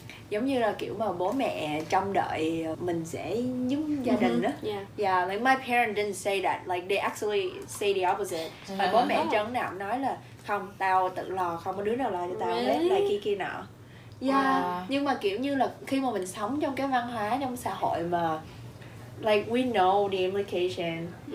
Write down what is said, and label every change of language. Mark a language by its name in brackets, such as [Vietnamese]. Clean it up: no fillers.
[Vietnamese] Giống như là kiểu mà bố mẹ trông đợi mình sẽ giúp gia đình đó. [English] Like my parents didn't say that, like they actually say the opposite. [Vietnamese] Mà bố mẹ Trân nào nói là không, tao tự lo, không có đứa nào lo cho tao hết, lại kia kia nọ. Nhưng mà kiểu như là khi mà mình sống trong cái văn hóa, trong xã hội mà [English] like we know the implication.